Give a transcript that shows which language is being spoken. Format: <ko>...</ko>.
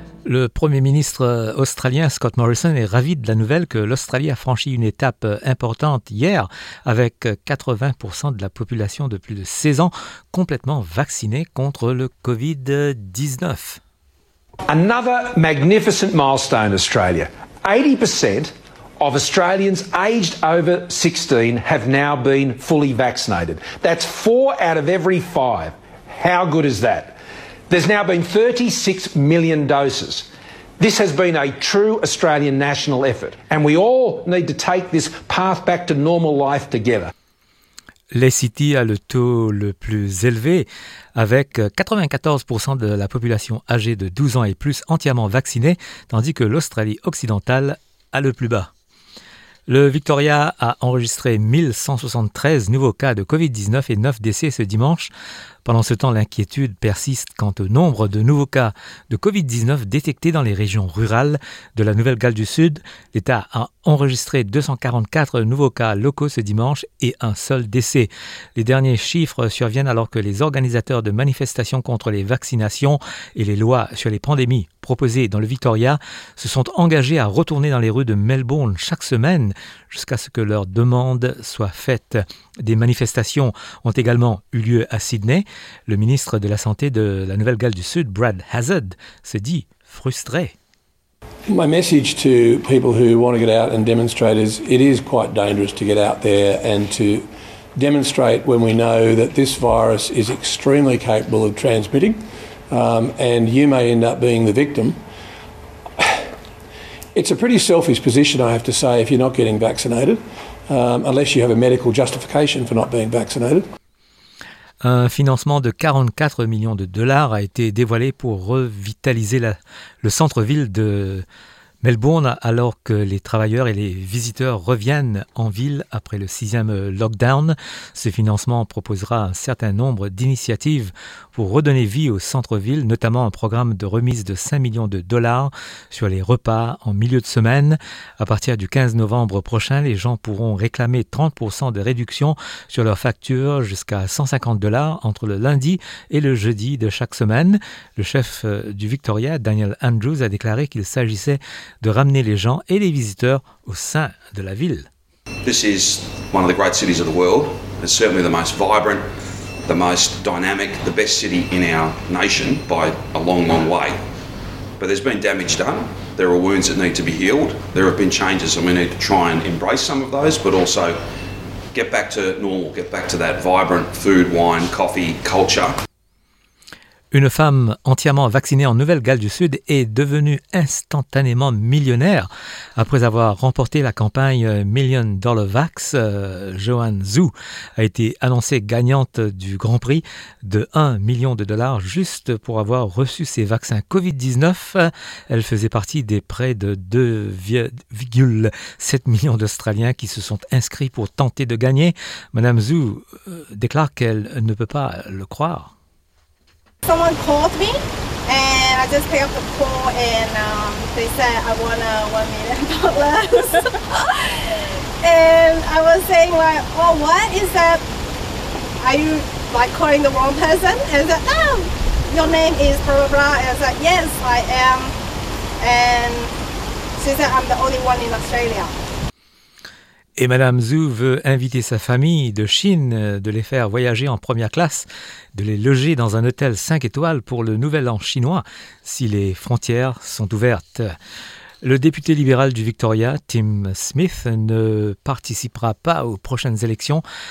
<fr>Le Premier ministre australien Scott Morrison est ravi de la nouvelle que l'Australie a franchi une étape importante hier avec 80% de la population de plus de 16 ans complètement vaccinée contre le COVID-19.</fr> <en>Another magnificent milestone, Australia. 80% of Australians aged over 16 have now been fully vaccinated. That's 4 out of every 5. How good is that? There's now been 36 million doses. This has been a true Australian national effort, and we all need to take this path back to normal life together.</en> <fr>L'ACT a le taux le plus élevé, avec 94% de la population âgée de 12 ans et plus entièrement vaccinée, tandis que l'Australie occidentale a le plus bas. Le Victoria a enregistré 1173 nouveaux cas de COVID-19 et 9 décès ce dimanche. Pendant ce temps, l'inquiétude persiste quant au nombre de nouveaux cas de COVID-19 détectés dans les régions rurales de la Nouvelle-Galles du Sud. L'État a enregistré 244 nouveaux cas locaux ce dimanche et un seul décès. Les derniers chiffres surviennent alors que les organisateurs de manifestations contre les vaccinations et les lois sur les pandémies proposées dans le Victoria se sont engagés à retourner dans les rues de Melbourne chaque semaine jusqu'à ce que leurs demandes soient faites. Des manifestations ont également eu lieu à Sydney. Le ministre de la Santé de la Nouvelle-Galles du Sud, Brad Hazard, se dit frustré.</fr> <en>My message to people who want to get out and demonstrate is it is quite dangerous to get out there and to demonstrate when we know that this virus is extremely capable of transmitting and you may end up being the victim. It's a pretty selfish position, I have to say, if you're not getting vaccinated, unless you have a medical justification for not being vaccinated.</en> <fr>Un financement de 44 millions de dollars a été dévoilé pour revitaliser le centre-ville de Melbourne alors que les travailleurs et les visiteurs reviennent en ville après le 6e lockdown. Ce financement proposera un certain nombre d'initiatives pour redonner vie au centre-ville, notamment un programme de remise de 5 millions de dollars sur les repas en milieu de semaine. À partir du 15 novembre prochain, les gens pourront réclamer 30% de réduction sur leurs factures jusqu'à 150 dollars entre le lundi et le jeudi de chaque semaine. Le chef du Victoria, Daniel Andrews, a déclaré qu'il s'agissait de ramener les gens et les visiteurs au sein de la ville.</fr> <en>This is one of the great cities of the world. It's certainly the most vibrant, the most dynamic, the best city in our nation by a long, long way. But there's been damage done. There are wounds that need to be healed. There have been changes and we need to try and embrace some of those, but also get back to normal, get back to that vibrant food, wine, coffee, culture.</en> <fr>Une femme entièrement vaccinée en Nouvelle-Galles du Sud est devenue instantanément millionnaire après avoir remporté la campagne Million Dollar Vax. Joanne Zhu a été annoncée gagnante du Grand Prix de 1 million de dollars juste pour avoir reçu ses vaccins COVID-19. Elle faisait partie des près de 2,7 millions d'Australiens qui se sont inscrits pour tenter de gagner. Madame Zhu déclare qu'elle ne peut pas le croire.</fr> <en>Someone called me and I just picked up the call and they said I won $1 million. And I was saying like, oh, what is that? Are you like calling the wrong person? And I said, oh, your name is blah, blah, blah. And I said, yes, I am. And she said, I'm the only one in Australia.</en> <fr>Et Madame Zhu veut inviter sa famille de Chine, de les faire voyager en première classe, de les loger dans un hôtel 5 étoiles pour le nouvel an chinois, si les frontières sont ouvertes. Le député libéral du Victoria, Tim Smith, ne participera pas aux prochaines élections</fr>